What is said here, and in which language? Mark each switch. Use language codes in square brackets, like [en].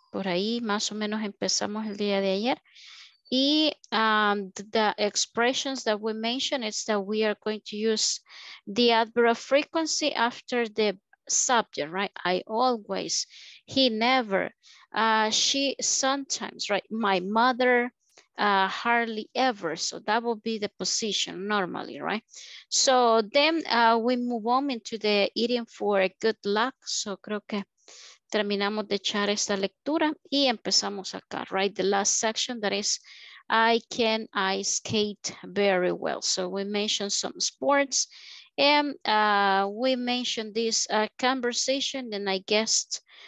[es] Por ahí más o menos empezamos el día de ayer. [en] Y the expressions that we mentioned is that we are going to use the adverb of frequency after the subject, right? I always, he never. She sometimes, right? My mother hardly ever. So that will be the position normally, right? So then we move on into the idiom for good luck. [es] So creo que terminamos de echar esta lectura y empezamos acá, right? [en] The last section that is, I can ice skate very well. So we mentioned some sports and we mentioned this conversation and I guessed.